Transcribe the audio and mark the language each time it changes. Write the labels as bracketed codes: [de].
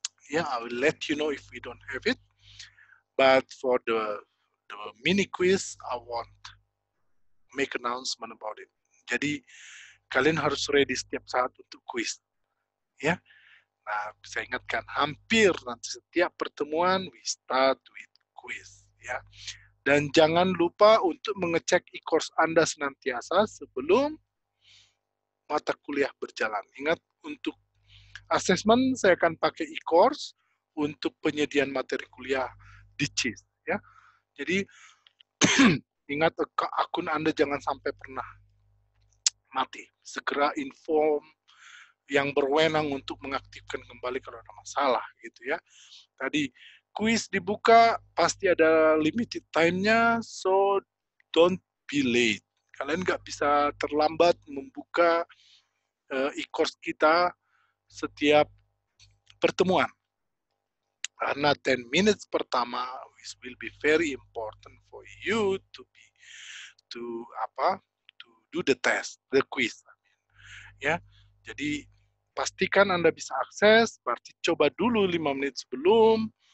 [en] Yeah, I will let you know if we don't have it. But for the mini quiz, I won't make announcement about it. [id] Jadi kalian harus ready setiap saat untuk quiz. Ya. Yeah? Nah, saya ingatkan hampir nanti setiap pertemuan [en] we start with quiz, [id] ya. Yeah? Dan jangan lupa untuk mengecek e-course Anda senantiasa sebelum mata kuliah berjalan. Ingat, untuk assessment saya akan pakai e-course, untuk penyediaan materi kuliah di CIS, ya. Jadi ingat akun Anda jangan sampai pernah mati. Segera inform yang berwenang untuk mengaktifkan kembali kalau ada masalah gitu ya. Tadi quiz dibuka pasti ada limited time-nya, [en] so don't be late. [id] Kalian nggak bisa terlambat membuka e-course kita setiap pertemuan. Karena [en] 10 minutes [id] pertama [en] which will be very important for you to be to do the test, the quiz. [id] Ya, jadi pastikan Anda bisa akses, berarti coba dulu 5 menit sebelum.